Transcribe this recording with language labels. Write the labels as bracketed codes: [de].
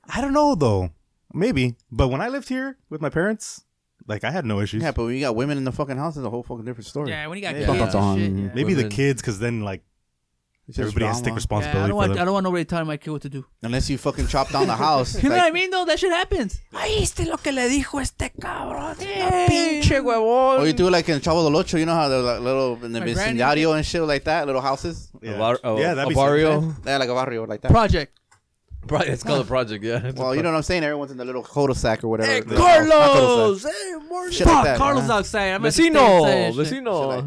[en] I don't know, though. Maybe. But when I lived here with my parents... Like, I had no issues. Yeah, but when you got women in the fucking house, it's a whole fucking different story. Yeah, when you got kids. Yeah. Shit, yeah. Maybe women. The kids, because then, like, everybody has to take responsibility for them. I don't want nobody telling my kid what to do. Unless you fucking chop down the house. You know what I mean, though? That shit happens. [es] Ay, este lo que le dijo este cabrón. Pinche huevón. [en] Or you do it like in Chavo del Ocho. You know how they're like little in the vecindario and shit like that? Little houses? A barrio? Yeah, like a barrio like that. Project. It's called a project, yeah. It's well, you know what I'm saying? Everyone's in the little cul-de-sac or whatever. Hey, Carlos! Hey, Morgan! Shit like that, Carlos outside. Vecino! Vecino!